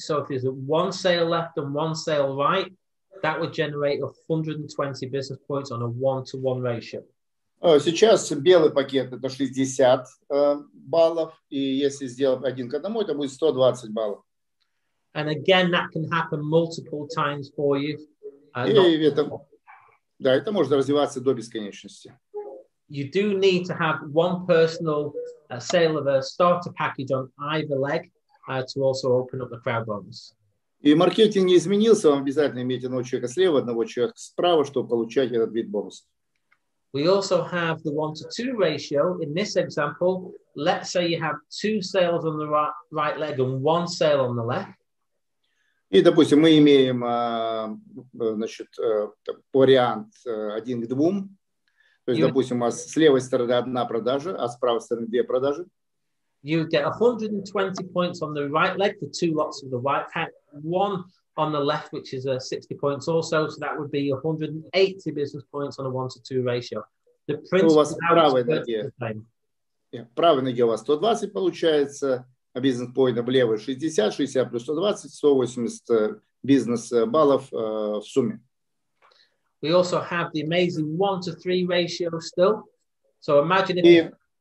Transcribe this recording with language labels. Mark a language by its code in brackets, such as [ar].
[en] So if there's one sale left and one sale right, that would generate 120 business points on a 1-to-1 ratio. [ru] Сейчас белый пакет – это 60 баллов, и если сделать 1-к-1, это будет 120 баллов. [en] And again, that can happen multiple times for you. [ru] Да, это может развиваться до бесконечности. [en] You do need to have one personal sale of a starter package on either leg to also open up the crowd bonus. [ru] И маркетинг не изменился, вам обязательно иметь одного человека слева, одного человека справа, чтобы получать этот вид бонуса. [en] We also have the 1-to-2 ratio. In this example, let's say you have two sales on the right leg and one sale on the left. [ru] И, допустим, мы имеем, значит, вариант 1-к-2. То есть, допустим, у вас с левой стороны одна продажа, а с правой стороны две продажи. [en] You get 120 points on the right leg for two lots of the white hat, one on the left, which is 60 points also, so that would be 180 business points on a 1-to-2 ratio. The [ru] principle у вас правая ноге. Правая ноге у вас 120 получается, а бизнес-поинтов левой 60, 60 плюс 120, 180 бизнес-баллов в сумме. [en] We also have the amazing 1-to-3 ratio still. So imagine if...